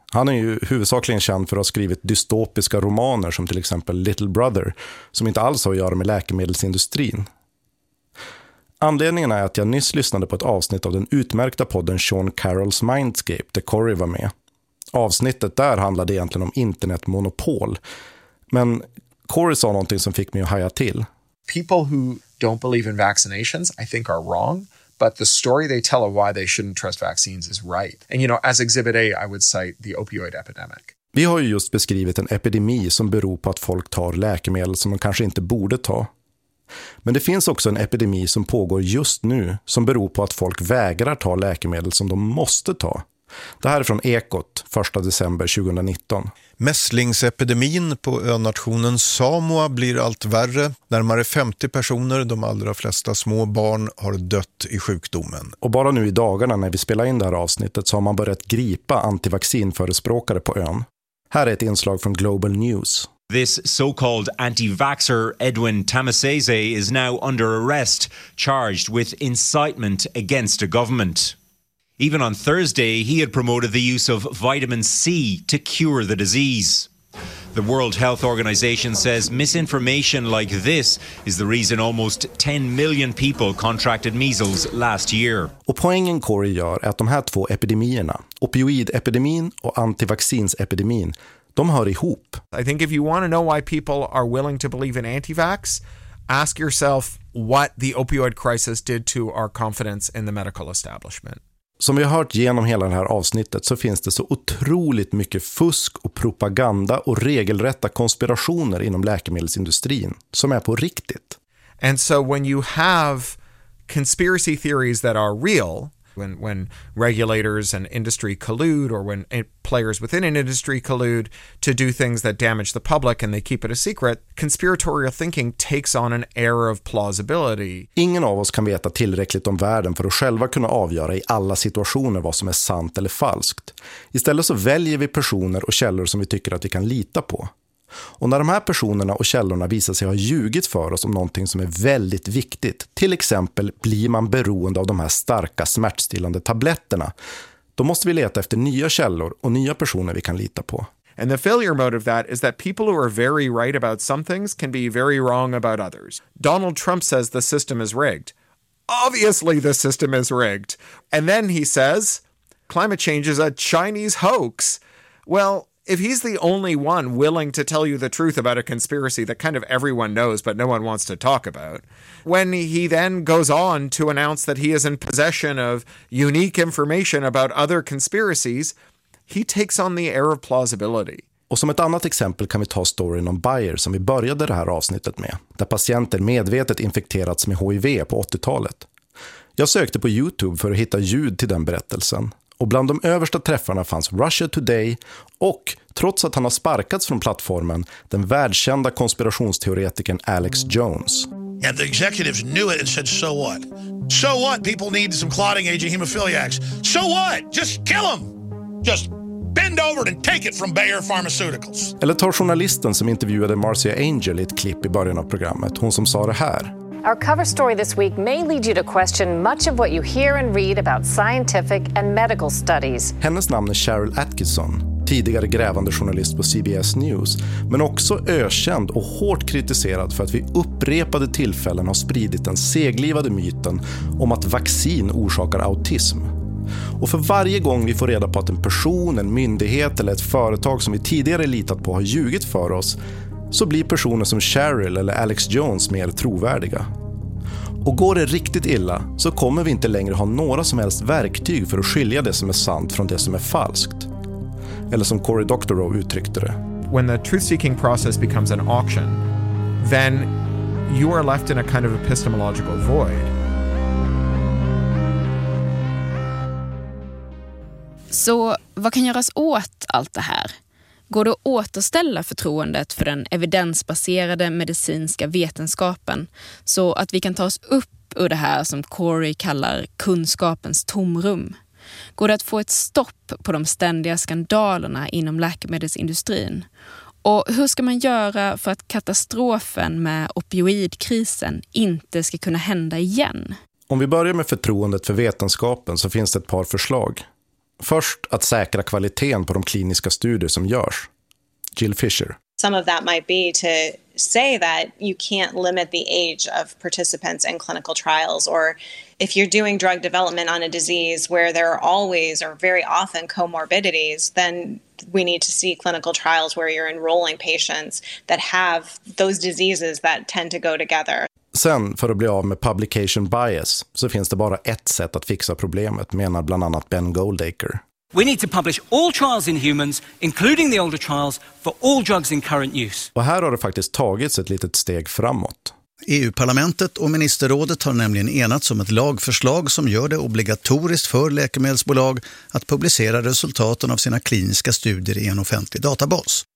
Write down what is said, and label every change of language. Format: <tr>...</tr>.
<sv>Han är ju huvudsakligen känd för att ha skrivit dystopiska romaner som till exempel Little Brother, som inte alls har att göra med läkemedelsindustrin. Anledningen är att jag nyss lyssnade på ett avsnitt av den utmärkta podden Sean Carroll's Mindscape där Cory var med. Avsnittet där handlade egentligen om internetmonopol. Men Cory sa någonting som fick mig att haja till.</sv> <en>People who don't believe in vaccinations, I think are wrong. But the story they tell of why they shouldn't trust vaccines is right. And you know, as exhibit A, I would cite the opioid epidemic.</en> <sv>Vi har ju just beskrivit en epidemi som beror på att folk tar läkemedel som de kanske inte borde ta. Men det finns också en epidemi som pågår just nu som beror på att folk vägrar ta läkemedel som de måste ta. Det här är från Ekot, 1 december 2019. Mässlingsepidemin på önationen Samoa blir allt värre. Närmare 50 personer, de allra flesta små barn, har dött i sjukdomen. Och bara nu i dagarna när vi spelar in det här avsnittet så har man börjat gripa antivaccinförespråkare på ön. Här är ett inslag från Global News.</sv> <en>This so-called anti-vaxxer Edwin Tamasese is now under arrest, charged with incitement against a government. Even on Thursday, he had promoted the use of vitamin C to cure the disease. The World Health Organization says misinformation like this is the reason almost 10 million people contracted measles last year.</en> <sv>Och poängen Corey gör är att de här två epidemierna, opioidepidemin och antivaccinsepidemin, de hör ihop.</sv> <en>I think if you want to know why people are willing to believe in anti-vax, ask yourself what the opioid crisis did to our confidence in the medical establishment.</en> <sv>Som vi har hört genom hela det här avsnittet så finns det så otroligt mycket fusk och propaganda och regelrätta konspirationer inom läkemedelsindustrin som är på riktigt.</sv> <en>And so when you have conspiracy theories that are real, when regulators and industry collude, or when players within an industry collude to do things that damage the public and they keep it a secret, conspiratorial thinking takes on an air of plausibility.</en> <sv>Ingen av oss kan veta tillräckligt om världen för att själva kunna avgöra i alla situationer vad som är sant eller falskt. Istället så väljer vi personer och källor som vi tycker att vi kan lita på. Och när de här personerna och källorna visar sig ha ljugit för oss om någonting som är väldigt viktigt, till exempel blir man beroende av de här starka smärtstillande tabletterna, då måste vi leta efter nya källor och nya personer vi kan lita på.</sv> <en>And the failure mode of that is that people who are very right about some things can be very wrong about others. Donald Trump says the system is rigged. Obviously the system is rigged. And then he says climate change is a Chinese hoax. Well, if he's the only one willing to tell you the truth about a conspiracy that kind of everyone knows but no one wants to talk about, when he then goes on to announce that he is in possession of unique information about other conspiracies, he takes on the air of plausibility.</en> <sv>Och som ett annat exempel kan vi ta storyn om Bayer som vi började det här avsnittet med, där patienter medvetet infekterats med HIV på 80-talet. Jag sökte på YouTube för att hitta ljud till den berättelsen. Och bland de översta träffarna fanns Russia Today och, trots att han har sparkats från plattformen, den världskända konspirationsteoretikern Alex Jones.</sv> <en>And the executives knew it and said, so what? So what? People need some clotting agent hemophiliacs. So what? Just kill them. Just bend over and take it from Bayer Pharmaceuticals.</en> <sv>Eller tar journalisten som intervjuade Marcia Angel i ett klipp i början av programmet. Hon som sa det här.</sv> <en>Our cover story this week may lead you to question much of what you hear and read about scientific and medical studies.</en> <sv>Hennes namn är Cheryl Atkinson, tidigare grävande journalist på CBS News, men också ökänd och hårt kritiserad för att vi upprepade tillfällen har spridit den seglivade myten om att vaccin orsakar autism. Och för varje gång vi får reda på att en person, en myndighet eller ett företag som vi tidigare litat på har ljugit för oss, så blir personer som Cheryl eller Alex Jones mer trovärdiga. Och går det riktigt illa så kommer vi inte längre ha några som helst verktyg för att skilja det som är sant från det som är falskt. Eller som Cory Doctorow uttryckte det.</sv> <en>When the truth-seeking process becomes an auction, then you are left in a kind of epistemological void.</en> <sv>Så vad kan göras åt allt det här? Går det att återställa förtroendet för den evidensbaserade medicinska vetenskapen så att vi kan ta oss upp ur det här som Cory kallar kunskapens tomrum? Går det att få ett stopp på de ständiga skandalerna inom läkemedelsindustrin? Och hur ska man göra för att katastrofen med opioidkrisen inte ska kunna hända igen? Om vi börjar med förtroendet för vetenskapen så finns det ett par förslag. Först att säkra kvaliteten på de kliniska studier som görs. Jill Fisher.</sv> <en>Some of that might be to say that you can't limit the age of participants in clinical trials, or if you're doing drug development on a disease where there are always or very often comorbidities, then we need to see clinical trials where you're enrolling patients that have those diseases that tend to go together.</en> <sv>Sen, för att bli av med publication bias, så finns det bara ett sätt att fixa problemet, menar bland annat Ben Goldacre.</sv> <en>We need to publish all trials in humans, including the older trials, for all drugs in current use.</en> <sv>Och här har det faktiskt tagits ett litet steg framåt. EU-parlamentet och ministerrådet har nämligen enats om ett lagförslag som gör det obligatoriskt för läkemedelsbolag att publicera resultaten av sina kliniska studier i en offentlig databas.</sv>